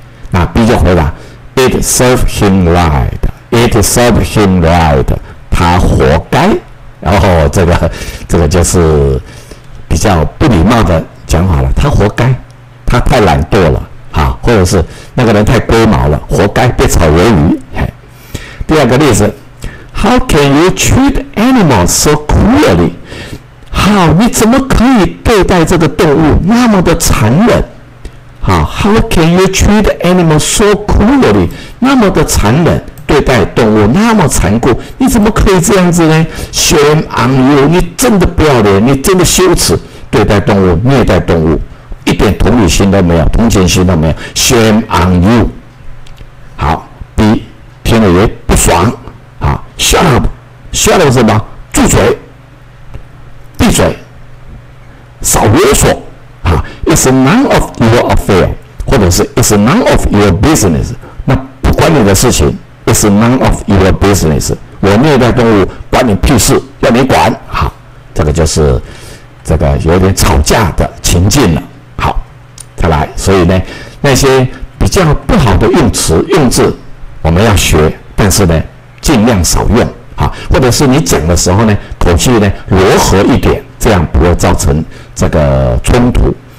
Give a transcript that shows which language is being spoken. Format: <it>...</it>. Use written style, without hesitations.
<zh>那 B 就回答。</zh> <en>It serve him right. It serve him right.</en> <zh>他活该。然后这个就是比较不礼貌的讲法了。他活该，他太懒惰了，哈，或者是那个人太龟毛了，活该被炒鱿鱼。第二个例子</zh> <en>，How can you treat animals so cruelly？</en> <zh>好，你怎么可以对待这个动物那么的残忍？</zh> <en>How can you treat animals so cruelly？</en> <zh>那么的残忍，对待动物那么残酷，你怎么可以这样子呢 ？</zh> <en>Shame on you！</en> <zh>你真的不要脸，你真的羞耻，对待动物，虐待动物，一点同理心都没有，同情心都没有。</zh> <en>Shame on you！</en> <zh>好 ，B 听了也不爽。</zh> <en>好 ，Shut up！Shut up</en> <zh>是什么？住嘴，闭嘴，少啰嗦。</zh> <en>It's none of your affair，</en> <zh>或者是</zh> <en>It's none of your business，</en> <zh>那不关你的事情。</zh> <en>It's none of your business，</en> <zh>我虐待动物关你屁事，要你管。好，这个就是这个有点吵架的情境了。好，再来，所以呢，那些比较不好的用词用字我们要学，但是呢尽量少用啊，或者是你讲的时候呢口气呢柔和一点，这样不会造成这个冲突。</zh>